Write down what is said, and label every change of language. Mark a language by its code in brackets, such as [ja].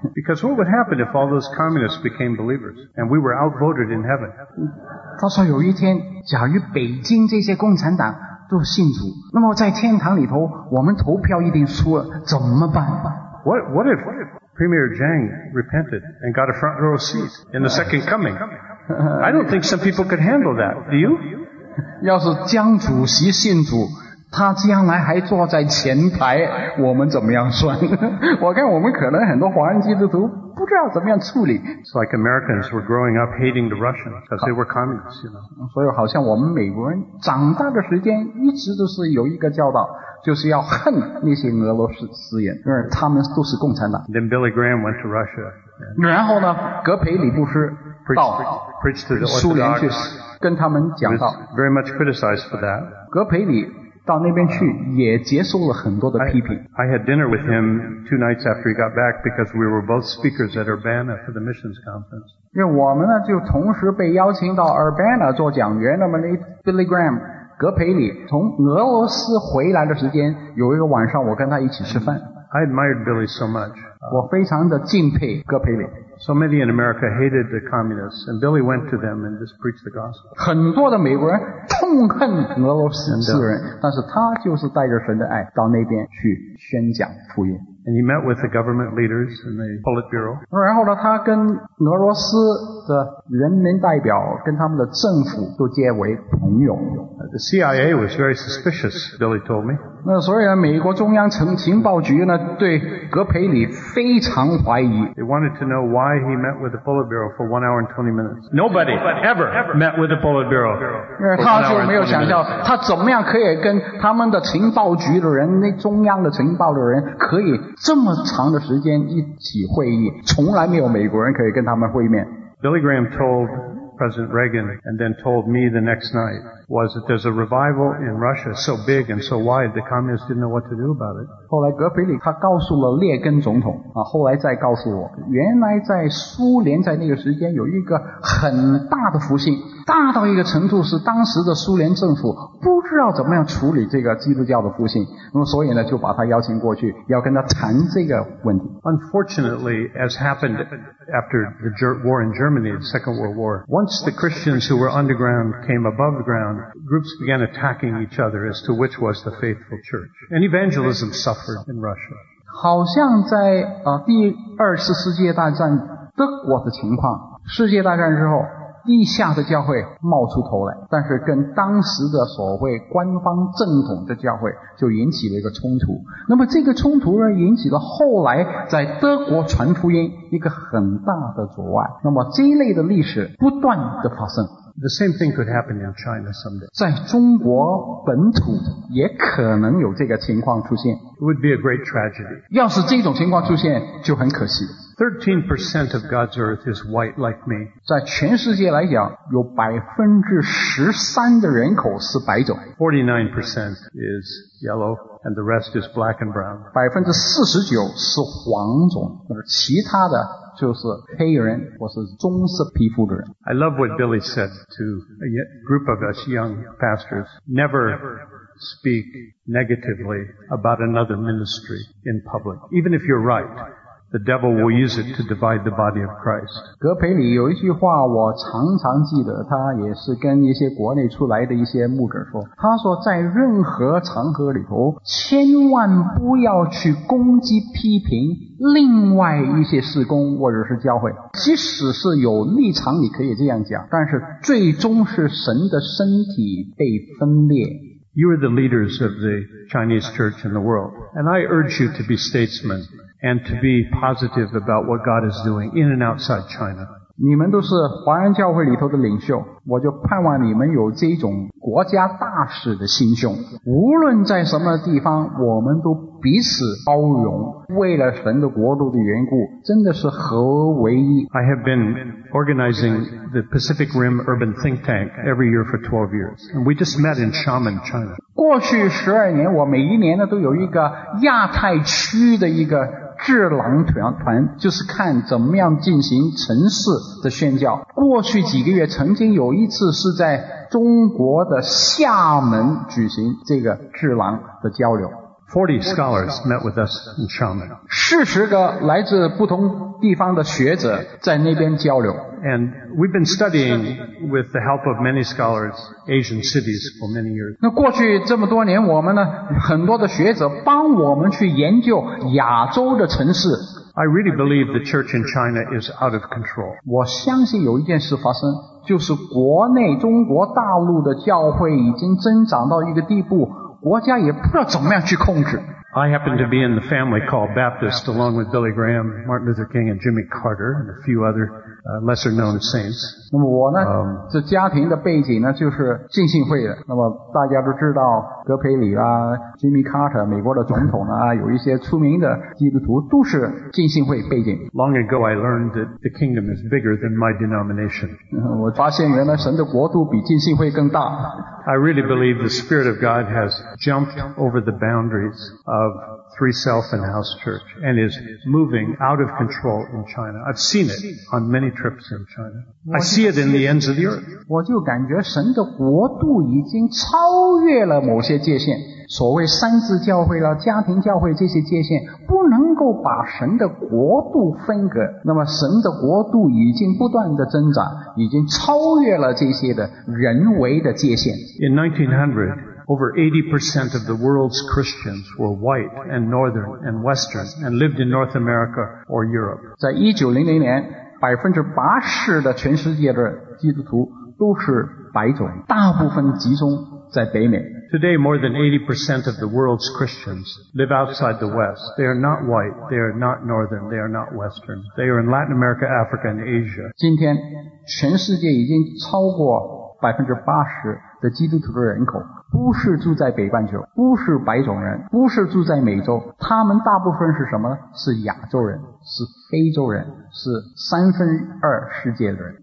[en] Because what would happen if all those communists became believers and we were outvoted in heaven？ [zh] 他说有一天，假如北京这些共产党都信主，那么在天堂里头，我们投票一定输了，怎么办？ [en] What if Premier Zhang repented and got a front row seat in the second coming? I don't think some people could handle that. Do you? [zh] 要是江主席信主，他将来还坐在前排，我们怎么样算？我看我们可能很多华人基督徒不知道怎么样处理。 [en] It's like Americans were growing up hating the Russians because they were communists, you know. [zh] 所以好像我们美国人长大的时间一直都是有一个教导，就是要恨那些俄罗斯私人，因为他们都是共产党。 [en] Then Billy Graham went to Russia. [zh] 然后呢，格培里布什到苏联去跟他们讲道。 [en] Very much criticized for that. [zh] 格培里到那边去也接受了很多的批评。 [en] I had dinner with him two nights after he got back because we were both speakers at Urbana for the missions conference. [zh] 因为我们呢就同时被邀请到 Urbana 做讲员，那么那 Billy Graham。格培里从俄罗斯回来的时间，有一个晚上我跟他一起吃饭。 [en] I admired Billy so much. [zh] 我非常的敬佩格培里。 [en] So many in America hated the communists, and Billy went to them and just preached the gospel. [zh] 很多的美国人痛恨俄罗斯私人，但是他就是带着神的爱到那边去宣讲福音。 [en] And he met with the government leaders and the Politburo. [zh] 然后呢，他跟俄罗斯的人民代表跟他们的政府都结为朋友。 [en] The CIA was very suspicious, Billy told me. [zh] 那所以呢，美国中央情报局呢对格培里非常怀疑。 [en] They wanted to know why he met with the Politburo for 1 hour and 20 minutes. Nobody ever met with the Politburo. [zh] 他就没有想到他怎么样可以跟他们的情报局的人，那中央的情报的人可以这么长的时间一起会议，从来没有美国人可以跟他们会面。 [en] Billy Graham told President Reagan and then told me the next night was that there's a revival in Russia so big and so wide the communists didn't know what to do about it. [zh] 后来格培里他告诉了列根总统，后来再告诉我，原来在苏联在那个时间有一个很大的复兴，大到一个程度是当时的苏联政府不知道怎么样处理这个基督教的复兴，那么所以呢就把他邀请过去要跟他谈这个问题。 [en] Unfortunately, as happened after the war in Germany, the Second World War, once the Christians who were underground came above the ground, groups began attacking each other as to which was the faithful church. And evangelism suffered in Russia. [zh] 好像在第二次世界大战德国的情况，世界大战之后地下的教会冒出头来，但是跟当时的所谓官方正统的教会就引起了一个冲突。那么这个冲突呢，引起了后来在德国传福音一个很大的阻碍。那么这一类的历史不断的发生。 [en] The same thing could happen in China someday. [zh] 在中国本土也可能有这个情况出现。 [en] It would be a great tragedy. [zh] 要是这种情况出现就很可惜。 [en] 13% of God's earth is white like me. [zh] 在全世界来讲有 13% 的人口是白种。 [en] 49% is yellow and the rest is black and brown. [zh] 49% 是黄种，而其他的就是黑人或是棕色皮肤的人。 [en] I love what Billy said to a group of us young pastors. Never speak negatively about another ministry in public. Even if you're right, The devil will use it to divide the body of Christ. [zh] 格培里有一句话我常常记得，他也是跟一些国内出来的一些牧者说，他说在任何场合里头，千万不要去攻击批评另外一些事工或者是教会，即使是有立场你可以这样讲，但是最终是神的身体被分裂。 [en] You are the leaders of the Chinese church in the world, and I urge you to be statesmen and to be positive about what God is doing in and outside China. [zh] 你们都是华人教会里头的领袖，我就盼望你们有这种国家大使的心胸，无论在什么地方我们都彼此包容，为了神的国度的缘故，真的是合为一。 [en] I have been organizing the Pacific Rim Urban Think Tank every year for 12 years and we just met in Xiamen, China. [zh] 过去12年我每一年呢都有一个亚太区的一个智囊 团，就是看怎么样进行城市的宣教。过去几个月曾经有一次是在中国的厦门举行这个智囊的交流。 [en] 40 scholars met with us in Xiamen. [zh] 40个来自不同地方的学者在那边交流。 [en] And we've been studying with the help of many scholars Asian cities for many years. [zh] 那过去这么多年我们呢，很多的学者帮我们去研究亚洲的城市。 [en] I really believe the church in China is out of control. [zh] 我相信有一件事发生，就是国内中国大陆的教会已经增长到一个地步，国家也不知道怎么样去控制。 [en] I happen to be in the family called Baptist along with Billy Graham, Martin Luther King and Jimmy Carter and a few other lesser known saints. [zh] 那么我呢，这家庭的背景呢就是浸信会的。那么大家都知道格培里啦、Jimmy Carter 美国的总统呢，有一些出名的基督徒都是浸信会背景。 [en] Long ago I learned that the kingdom is bigger than my denomination. [zh] 我发现原来神的国度比浸信会更大。 [en] I really believe the Spirit of God has jumped over the boundaries of Three Self and House Church and is moving out of control in China. I've seen it on many trips in China. I see it in the ends of the earth. [zh] 我就感觉神的国度已经超越了某些界限，所谓三自教会了、家庭教会这些界限，不能够把神的国度分隔。那么神的国度已经不断的增长，已经超越了这些的人为的界限。 [en] In 1900, over 80% of the world's Christians were white and northern and western and lived in North America or Europe. [zh] 在1900年 ,80% 的全世界的基督徒都是白种，大部分集中在北美。 [en] Today, more than 80% of the world's Christians live outside the West. They are not white, they are not northern, they are not western. They are in Latin America, Africa, and Asia. [zh] 今天，全世界已经超过 80% 的基督徒的人口，不是住在北半球，不是白种人，不是住在美洲，他们大部分是什么呢？是亚洲人，是非洲人，是三分二世界的人。